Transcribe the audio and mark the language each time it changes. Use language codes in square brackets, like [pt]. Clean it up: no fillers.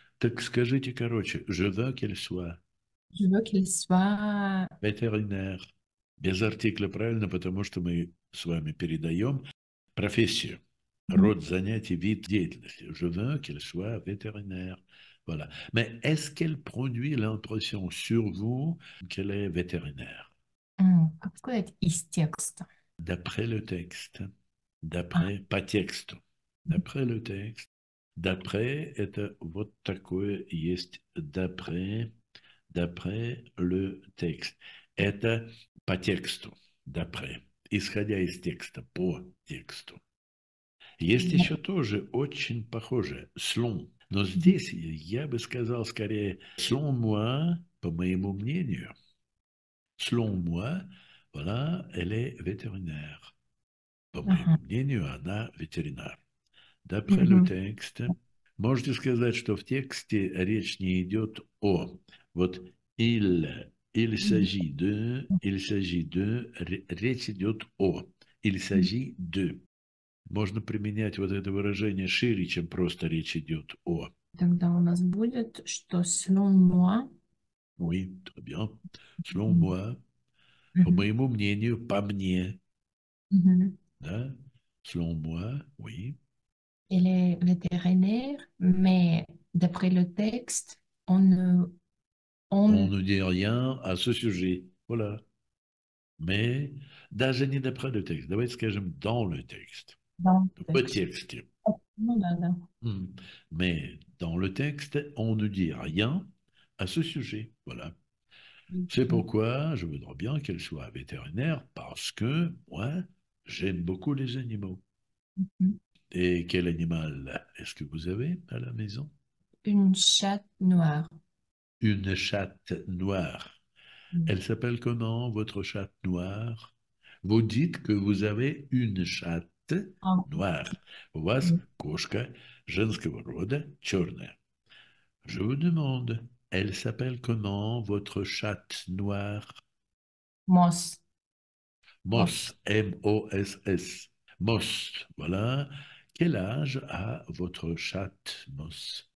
[ru] Так скажите, короче, [fr] je veux qu'elle soit Je veux qu'elle soit. [ru] ветеринар. Без артикля, правильно, потому что мы с вами передаем профессию, род занятий, вид деятельности. [fr] Je veux qu'elle soit ветеринар. Voilà. Mais est-ce qu'elle produit l'impression sur vous qu'elle est ветеринар? [ru] Как сказать, из текста. [fr] D'après le texte, d'après, pas texte, d'après le texte, d'après, [ru] это вот такое есть [fr] d'après le texte. [ru] Это по тексту, d'après, исходя из текста, по тексту. Есть еще тоже очень похожее, selon, но здесь я бы сказал скорее, [fr] selon moi, [ru] по моему мнению, [fr] selon moi, voilà, elle est [ru] ветеринар. По моему мнению, она ветеринар. [fr] D'après le texte, [ru] можете сказать, что в тексте речь не идет о. [fr] Вот il s'agit de, il s'agit de, [ru] речь идет о. [fr] Il s'agit de. [ru] Можно применять вот это выражение шире, чем просто речь идет о. Тогда у нас будет, что selon [fr] Oui, très bien. Selon moi, [ru] по моему мнению, по мне, да, [fr] selon moi, oui. Elle est vétérinaire, mais d'après le texte, on ne... On ne dit rien à ce sujet, voilà. Mais, [ru] даже не [fr] d'après le texte, давайте скажем dans le texte, Dans le au texte. texte. Oh, non, Mais, dans le texte, on ne dit rien à ce sujet, voilà. non. C'est Okay. pourquoi je voudrais bien qu'elle soit vétérinaire, parce que moi, j'aime beaucoup les animaux. Et quel animal est-ce que vous avez à la maison? Une chatte noire. Une chatte noire. Elle s'appelle comment, votre chatte noire? Vous dites que vous avez une chatte noire. [ru] У вас кошка женского рода черная. [fr] Je vous demande. Elle s'appelle comment, votre chatte noire? Moss. Moss, Moss. Moss, voilà. Quel âge a votre chatte Moss?